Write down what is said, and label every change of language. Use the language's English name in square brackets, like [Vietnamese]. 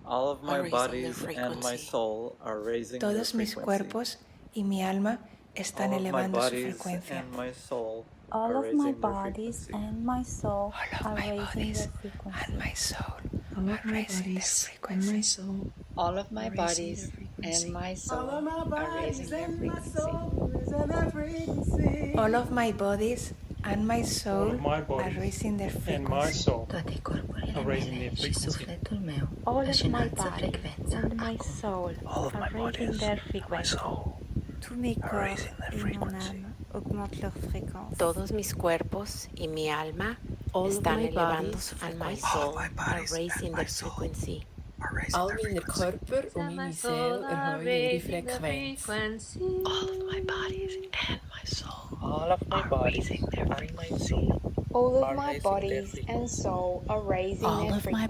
[English] All of my bodies and my soul are raising their frequency. [Spanish] Todos mis cuerpos y mi alma están elevando su frecuencia. [English] And my soul all of my bodies and my soul are raising their frequency. All of my bodies and my soul are raising their frequency. All of my bodies and my soul. All of my bodies and my soul are raising their frequency. All of my bodies. And my soul are raising their frequency. And my soul are raising their frequency. All of my bodies and my soul are raising their frequency. [French] Tous mes corps et mon âme augmentent leur fréquence. [Spanish] Todos mis cuerpos y mi alma están elevando su frecuencia. [English] All of my bodies are raising their frequency. All of my [French] corps et mon ser [English] are raising their frequency. All of my bodies and my soul. All of my bodies and my soul. All of my bodies and soul are raising their frequency.